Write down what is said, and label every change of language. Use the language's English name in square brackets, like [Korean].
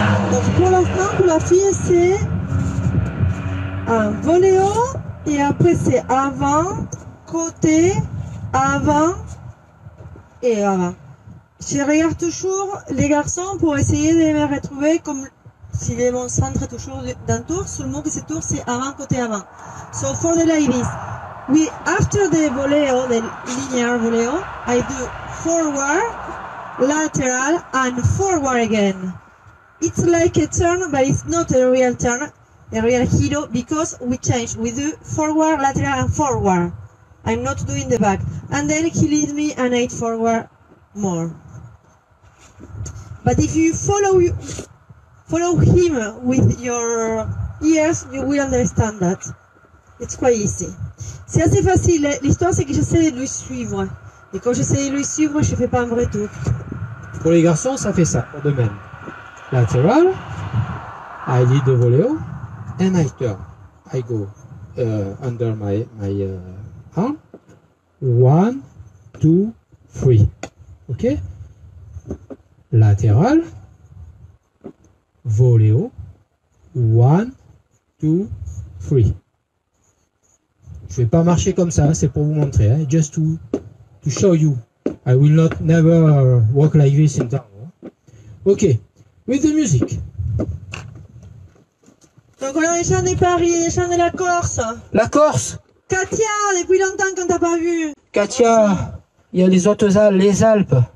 [French] Donc pour l'instant, pour la fille, c'est un voléo et après c'est avant, côté, avant. Et voilà. Je regarde toujours les garçons pour essayer de me retrouver comme si mon centre est toujours d'un tour, seulement que ce tour c'est avant, côté avant. [English] So for the ladies, we after the voleo, the linear voleo, I do forward, lateral, and forward again. It's like a turn, but it's not a real turn, a real giro, because we change. We do forward, lateral, and forward. I'm not doing the back. And then he leads me an 8 forward more. But if you follow him with your ears, you will understand that. It's quite easy. [French] C'est assez facile. L'histoire, c'est que j'essaie de lui suivre. Et quand j'essaie de lui suivre, je ne fais pas un vrai tour. Pour les garçons, ça fait ça. Pour de même. Lateral. [English] I lead the voleo. And I turn. I go under my arm. [French] 1, 2, 3. Ok? Latéral. Voléo. 1, 2, 3. Je vais pas marcher comme ça, c'est pour vous montrer. [English] Hein? Just to show you. I will not never walk like this in town. Hein? Ok. With the music. [French] Donc on a les gens de Paris, les gens de la Corse. La Corse? Katia, depuis longtemps qu'on t'a pas vu. Katia, il y a les autres Alpes, les Alpes.